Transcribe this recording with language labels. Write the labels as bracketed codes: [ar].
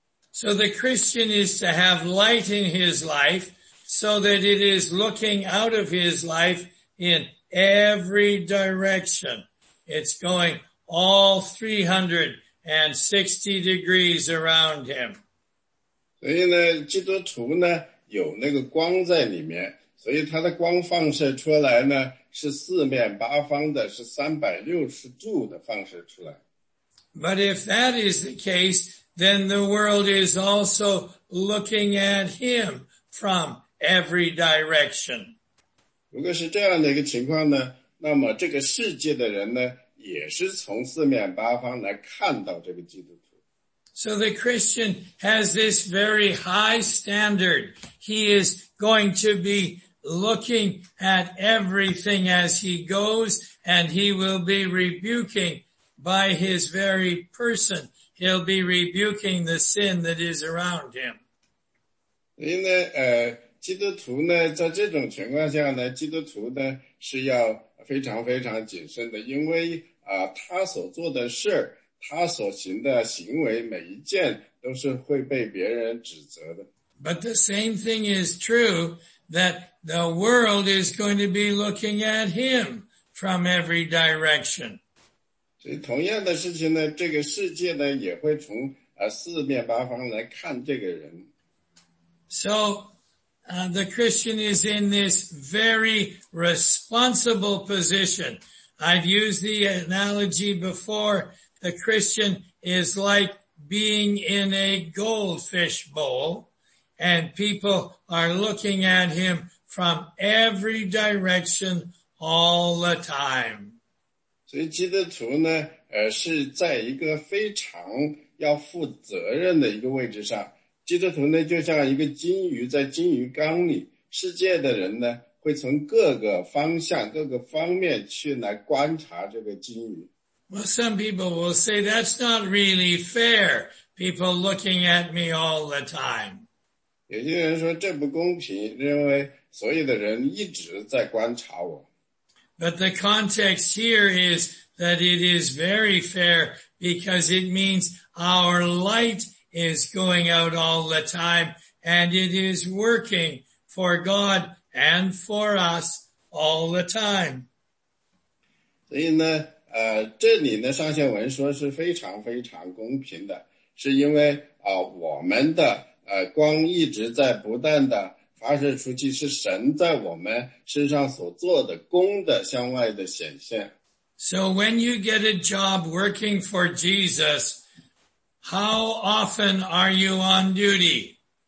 [en] So the Christian is to have light in his life so that it is looking out of his life in every direction. It's going all 360 degrees around him. [zh] 所以呢，基督徒呢，有那个光在里面，所以他的光放射出来呢，是四面八方的，是360度的放射出来。 [en] But if that is the case, then the world is also looking at him from every direction. [zh] 如果是这样的一个情况呢，那么这个世界的人呢，也是从四面八方来看到这个基督徒。 [en] So the Christian has this very high standard. He is going to be looking at everything as he goes, and he will be rebuking by his very person. He'll be rebuking the sin that is around him. [zh] 因为基督徒呢，在这种情况下呢，基督徒呢是要非常非常谨慎的，因为他所做的事，他所行的行为，每一件都是会被别人指责的。 [en] But the same thing is true that the world is going to be looking at him from every direction. [zh] 所以同样的事情呢，这个世界呢也会从四面八方来看这个人。 [en] So, the Christian is in this very responsible position. I've used the analogy before. The Christian is like being in a goldfish bowl and people are looking at him from every direction all the time. [zh] 所以基督徒呢是在一个非常要负责任的一个位置上。基督徒呢就像一个金鱼在金鱼缸里，世界的人呢会从各个方向、各个方面去来观察这个金鱼。 [en] Well, some people will say that's not really fair. People looking at me all the time. [zh] 有些人说这不公平，认为所有的人一直在观察我。 [en] But the context here is that it is very fair because it means our light is going out all the time and it is working for God. And for us all the time. [zh] 所以呢这里呢上下文说是非常非常公平的，是因为我们的光一直在不断的发射出去，是神在我们身上所做的功的向外的显现。 [en] So when you get a job working for Jesus, how often are you on duty?